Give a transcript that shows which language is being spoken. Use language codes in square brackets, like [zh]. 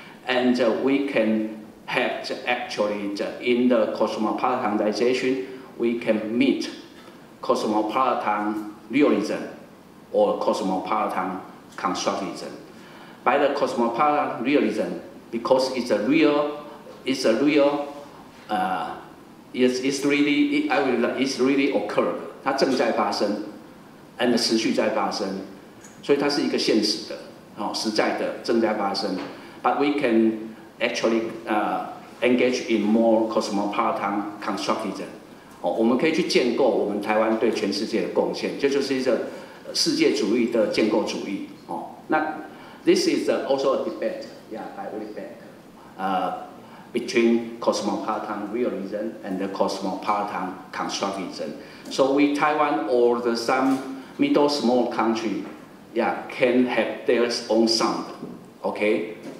[en] And we can have in the cosmopolitanization, we can meet cosmopolitan realism or cosmopolitan constructivism. By the cosmopolitan realism, because it's really occurred. [zh] 它正在发生 ，and 持续在发生，所以它是一个现实的，哦，实在的正在发生。 [en] But we can actually engage in more cosmopolitan constructivism. [zh] 我们可以去建构我们台湾对全世界的贡献，这就是一个世界主义的建构主义。 [en] 那 this is also a debate, I will back, between cosmopolitan realism and the cosmopolitan constructivism. So we Taiwan or the some middle small country, can have their own sound, okay?